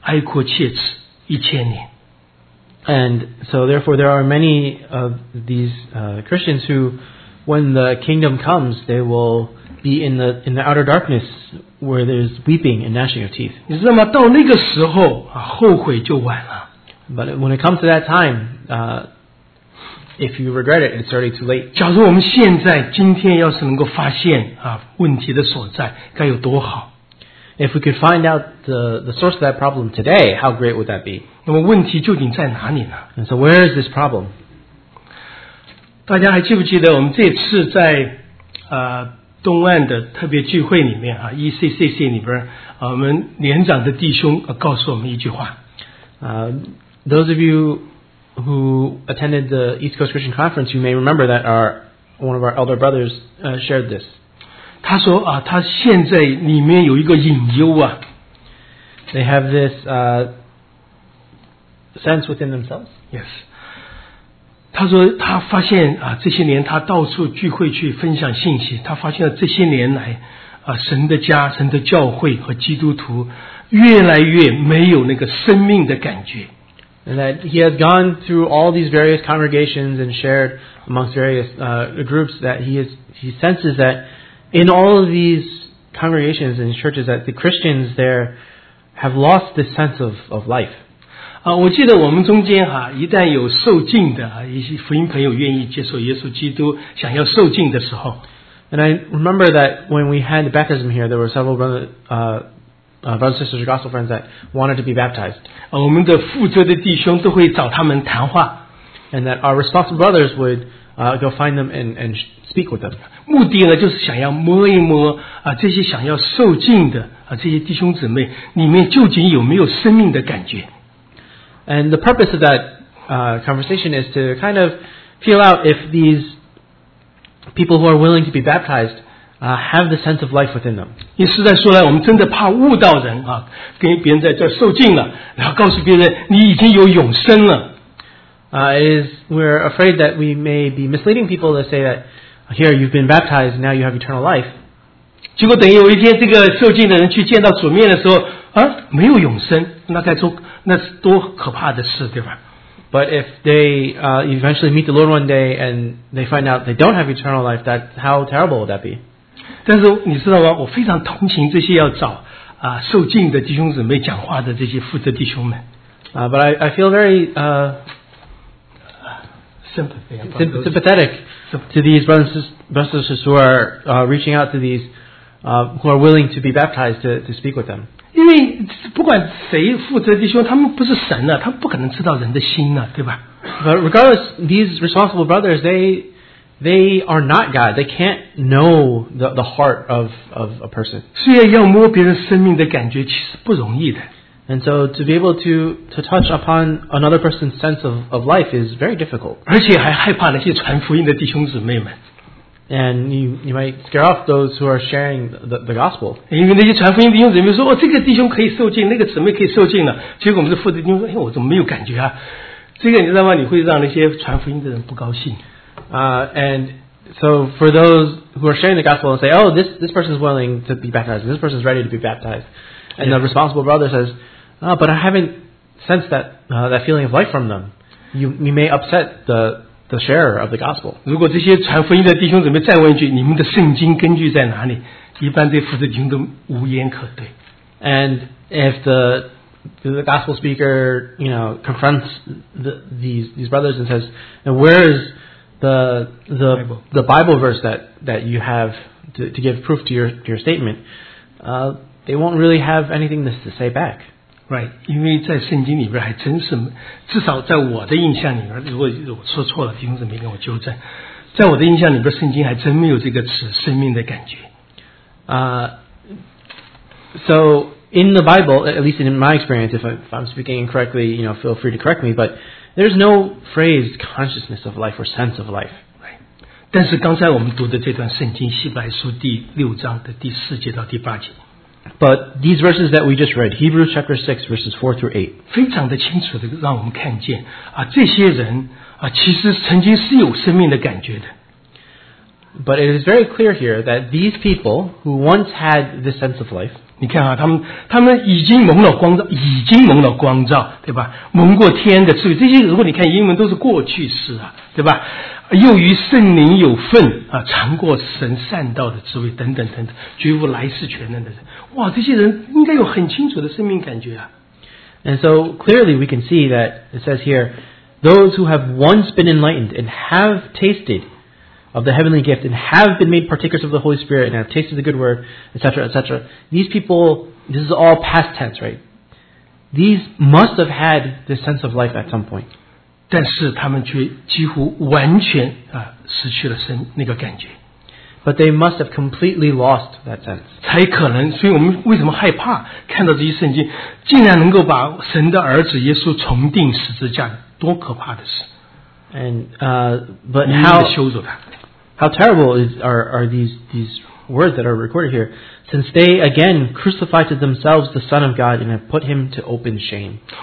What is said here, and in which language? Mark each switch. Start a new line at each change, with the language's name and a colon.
Chinese: 毫无疑问，有很多的基督徒啊，无份于天国，而没将要在黑暗里边，将天国降临这个地上的时候，将要在黑暗里面哀哭切齿1000年。
English: And so, therefore, there are many of these Christians who, when the kingdom comes, they will be in the outer darkness where there's weeping and gnashing of teeth.
Chinese: 你知道吗？到那个时候啊，后悔就晚了。
English: But when it comes to that time, If you regret it, it's already too late.
Chinese: 假如我们现在今天要是能够发现啊问题的所在，该有多好！
English: If we could find out the source of that problem today, how great would that be?
Chinese: 那么问题究竟在哪里呢？
English: And so where is this problem?
Chinese: 大家还记不记得我们这次在东岸的特别聚会里面啊 ,ECCC 里边我们年长的弟兄告诉我们一句话。
English: Those of you who attended the East Coast Christian Conference, you may remember that one of our elder brothers shared this.
Chinese: 他说啊他现在里面有一个隐忧啊。
English: They have this, sense within themselves. Yes.
Chinese: 他说他发现啊这些年他到处聚会去分享信息他发现了这些年来啊神的家神的教会和基督徒越来越没有那个生命的感觉。
English: And that he has gone through all these various congregations and shared amongst various, groups that he senses that in all of these congregations and churches that the Christians there have lost this sense of life.
Chinese: 啊，我记得我们中间哈、啊，一旦有受浸的啊，一些福音朋友愿意接受耶稣基督，想要受浸的时候
English: ，And I remember that when we had the baptism here, there were several brothers and sisters, gospel friends that wanted to be baptized.、
Chinese: 啊、我们的负责的弟兄都会找他们谈话
English: ，And that our responsible brothers would go find them and speak with them.
Chinese: 目的呢，就是想要摸一摸啊，这些想要受浸的啊，这些弟兄姊妹里面究竟有没有生命的感觉。
English: And the purpose of that conversation is to kind of feel out if these people who are willing to be baptized have the sense of life within them.
Chinese: 你实在说来，我们真的怕误导人啊，跟别人在这受浸了，然后告诉别人你已经有永生了。
English: We're afraid that we may be misleading people to say that here you've been baptized, now you have eternal life.
Chinese: 结果等于有一天这个受浸的人去见到主面的时候。啊，没有永生，那该那是多可怕的事，对吧
English: ？But if they eventually meet the Lord one day and they find out they don't have eternal life, that how terrible would that be？
Chinese: 但是你知道吗？我非常同情这些要找啊受浸的弟兄姊妹讲话的这些负责弟兄们。
English: But I feel very sympathetic to these brothers who are reaching out to these who are willing to be baptized to speak with them.
Chinese: 因为不管谁负责弟兄，他们不是神了、啊，他们不可能知道人的心了、啊，对吧
English: ？But regardless, these responsible brothers, they are not God. They can't know the heart of a person.
Chinese: 虽然要摸别人生命的感觉，其实不容易的。
English: And so to be able to touch upon another person's sense of life is very difficult.
Chinese: 而且还害怕那些传福音的弟兄姊妹们。
English: And you might scare off those who are sharing the gospel.
Chinese: 因为那些传福音弟兄姊妹说，哦，这个弟兄可以受浸，那个姊妹可以受浸了。结果我们的负责弟兄说，哎，我怎么没有感觉啊？这个你知道吗？你会让那些传福音的人不高兴。
English: And so for those who are sharing the gospel and say, oh, this person is willing to be baptized, this person is ready to be baptized, and the responsible brother says, oh, but I haven't sensed that feeling of life from them. You may upset the sharer of the gospel.
Chinese: 如果这些传福音的弟兄姊妹再问一句，你们的圣经根据在哪里？一般这负责弟兄都无言可对。
English: And if the gospel speaker, you know, confronts these brothers and says, "Where is the Bible verse that you have to give proof to your statement?" They won't really have anything to say back.
Chinese: Right, 因为在圣经里边还真是，至少在我的印象里边，如果我说错了，弟兄姊妹跟我纠正，在我的印象里边，圣经还真没有这个词“生命的感觉”。
English: So in the Bible, at least in my experience, if I'm speaking incorrectly, you know, feel free to correct me. But there's no phrase consciousness of life or sense of life. Right.
Chinese: 但是刚才我们读的这段圣经，希伯来书第六章的第四节到第八节。
English: But these verses that we just read, Hebrews chapter 6, verses 4 through 8,
Chinese: 非常的清楚的让我们看见啊，这些人啊，其实曾经是有生命的感觉的。
English: But it is very clear here that these people who once had this sense of life,
Chinese: 你看啊，他们已经蒙了光照，已经蒙了光照，对吧？蒙过天的，所以这些如果你看英文都是过去式啊，对吧？又与圣灵有份啊，尝过神善道的滋味等等等等，绝无来世全能的人。哇，这些人应该有很清楚的生命感觉啊。
English: And so clearly we can see that it says here, those who have once been enlightened and have tasted of the heavenly gift and have been made partakers of the Holy Spirit and have tasted the good word, etc., etc. These people, this is all past tense, right? These must have had the sense of life at some point.
Chinese: 但是他们却几乎完全失去了那个感觉。
English: But they must have completely lost that sense.
Chinese: 才可能，所以我们为什么害怕看到这些圣经， 竟然能够把神的儿子耶稣重钉十字架， 多可怕的事。
English: And but how terrible are these words that are recorded here, since they again crucified to themselves the Son of God and have put him to open shame.